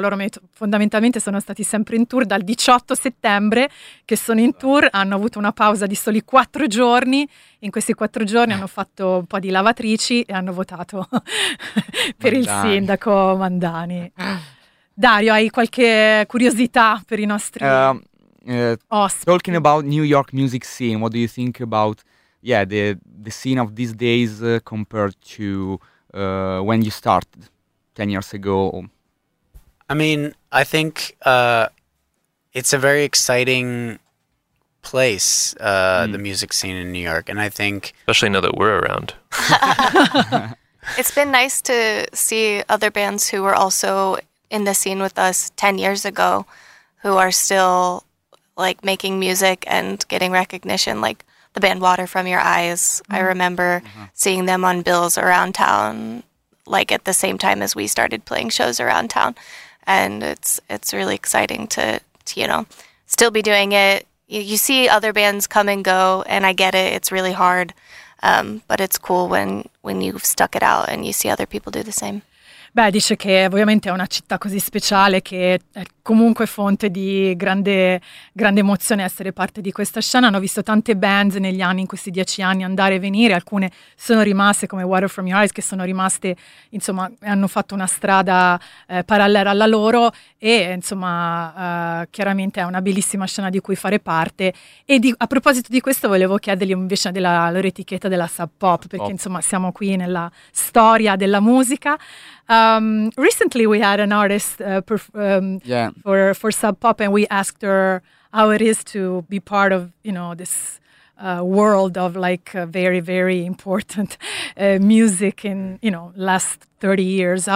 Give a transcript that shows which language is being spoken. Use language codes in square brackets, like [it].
[it] Loro fondamentalmente sono stati sempre in tour dal 18 settembre che sono in tour. Hanno avuto una pausa di soli 4 giorni. In questi 4 giorni hanno fatto un po' di lavatrici e hanno votato per Mandani. Il sindaco Mandani. Dario, hai qualche curiosità per i nostri ospiti? [en] Talking about New York music scene, what do you think about the scene of these days compared to when you started 10 years ago? I mean, I think it's a very exciting place, the music scene in New York, and I think... Especially now that we're around. It's been nice to see other bands who were also... in the scene with us 10 years ago who are still like making music and getting recognition, like the band Water From Your Eyes. Mm-hmm. I remember mm-hmm. seeing them on bills around town, like at the same time as we started playing shows around town. And it's really exciting to, you know, still be doing it. You see other bands come and go and I get it. It's really hard. But it's cool when you've stuck it out and you see other people do the same. [it] Beh, dice che ovviamente è una città così speciale che è comunque fonte di grande, grande emozione essere parte di questa scena. Hanno visto tante bands negli anni, in questi 10 anni, andare e venire. Alcune sono rimaste come Water From Your Eyes, che sono rimaste, insomma, hanno fatto una strada parallela alla loro e, insomma, chiaramente è una bellissima scena di cui fare parte. E a proposito di questo volevo chiedergli invece della loro etichetta della Sub Pop, perché, insomma, siamo qui nella storia della musica. [en] Recently we had an artist for Sub Pop and we asked her how it is to be part of, you know, this world of like very, very important music in, you know, last 30 years.